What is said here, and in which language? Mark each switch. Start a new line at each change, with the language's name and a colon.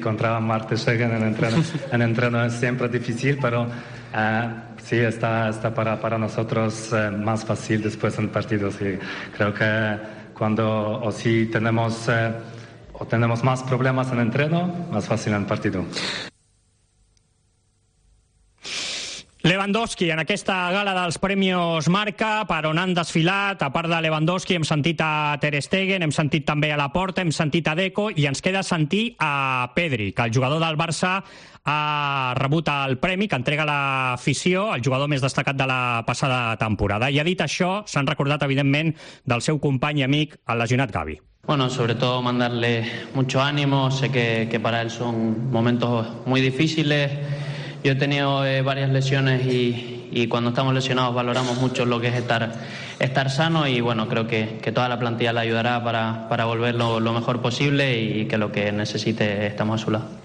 Spanish: Contra Marte Stegen en entreno es siempre difícil, pero sí, está para nosotros más fácil después en partidos. Sí. Creo que cuando o si tenemos tenemos más problemas en entreno, más fácil en partido.
Catalan: Lewandowski, en aquesta gala dels Premis Marca, per on han desfilat, a part de Lewandowski, hem sentit a Ter Stegen, hem sentit també a Laporta, hem sentit a Deco, i ens queda sentir a Pedri, que el jugador del Barça ha rebut el premi que entrega l'afició, el jugador més destacat de la passada temporada. I ha dit això, s'han recordat, evidentment, del seu company i amic, el lesionat Gavi.
Spanish: Bueno, sobre todo mandarle mucho ánimo, sé que para él son momentos muy difíciles. Yo he tenido varias lesiones y cuando estamos lesionados valoramos mucho lo que es estar sano y bueno, creo que toda la plantilla le ayudará para volver lo mejor posible y que lo que necesite estamos a su lado.